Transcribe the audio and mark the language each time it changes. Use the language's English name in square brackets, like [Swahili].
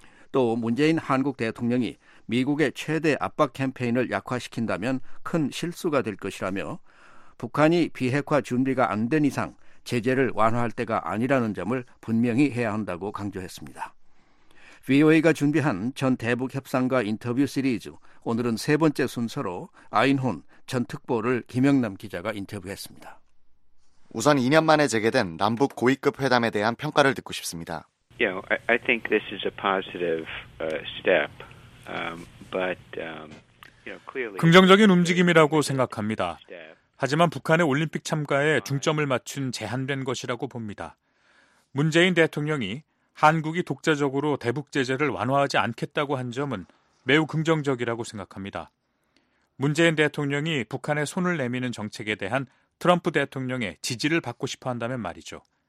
[Korean] 또 문재인 한국 대통령이 미국의 최대 압박 캠페인을 약화시킨다면 큰 실수가 될 것이라며 북한이 비핵화 준비가 안 된 이상 제재를 완화할 때가 아니라는 점을 분명히 해야 한다고 강조했습니다. VOA가 준비한 전 대북협상가 인터뷰 시리즈 오늘은 세 번째 순서로 아인혼 전 특보를 김영남 기자가 인터뷰했습니다. 우선 2년 만에 재개된 남북 고위급 회담에 대한 평가를 듣고 싶습니다. [English] You know, I think this is a positive step, but you know, clearly [Korean] 긍정적인 움직임이라고 생각합니다. 하지만 북한의 올림픽 참가에 중점을 맞춘 제한된 것이라고 봅니다. 문재인 대통령이 한국이 독자적으로 대북 제재를 완화하지 않겠다고 한 점은 매우 긍정적이라고 생각합니다. 문재인 대통령이 북한에 손을 내미는 정책에 대한 트럼프 대통령의 지지를 받고 싶어 한다면 말이죠.